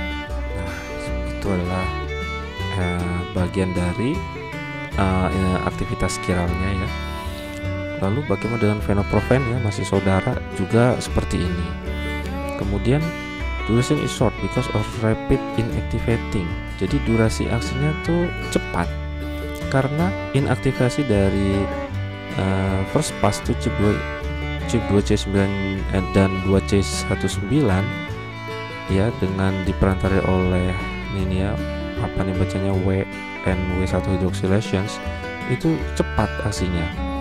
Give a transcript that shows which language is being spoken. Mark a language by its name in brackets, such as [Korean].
[Indonesian] Nah, itu adalah bagian dari aktivitas kiralnya ya. Lalu bagaimana dengan venoprofen ya, masih saudara juga seperti ini. [English] Kemudian duration is short because of rapid inactivating. [Indonesian] Jadi durasi aksinya tuh cepat karena inaktivasi dari first pass tuh C2C9 dan 2C19 ya, dengan diperantari oleh ini ya, apa nih bacanya, W and W1 hydroxylations, itu cepat aksinya.